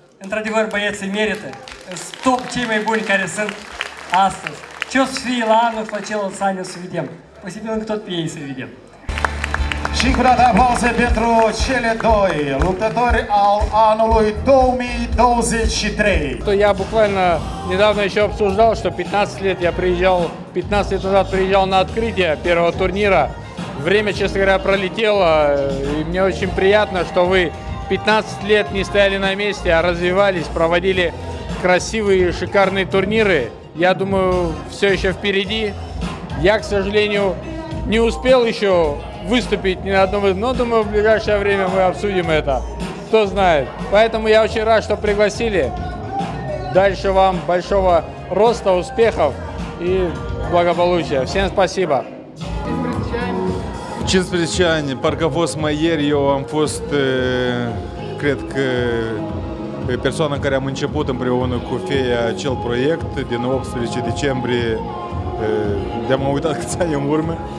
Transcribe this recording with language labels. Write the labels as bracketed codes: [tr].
[ro] Într-adevăr, băieții merită. Sunt top cei mai buni care sunt astăzi. Ce o să fie la anul, la celălalt an, o să vedem. Posibil încă tot pe ei să vedem. Și încă o dată aplauze pentru cele doi luptători al anului 2023. [ru] Я буквально недавно еще обсуждал, что 15 лет назад приезжал на открытие первого турнира. Время, честно говоря, пролетело, и мне очень приятно, что вы 15 лет не стояли на месте, а развивались, проводили красивые, шикарные турниры. Я думаю, все еще впереди. Я, к сожалению, не успел еще выступить ни на одном из... Но думаю, в ближайшее время мы обсудим это, кто знает. Поэтому я очень рад, что пригласили. Дальше вам большого роста, успехов и благополучия. Всем спасибо. [ro] В 15 ani, parcă a fost mai ieri, eu am fost, cred că, persoana care am început împreună cu FEA acel proiect din 18 decembrie, de am uitat câți ani în urmă.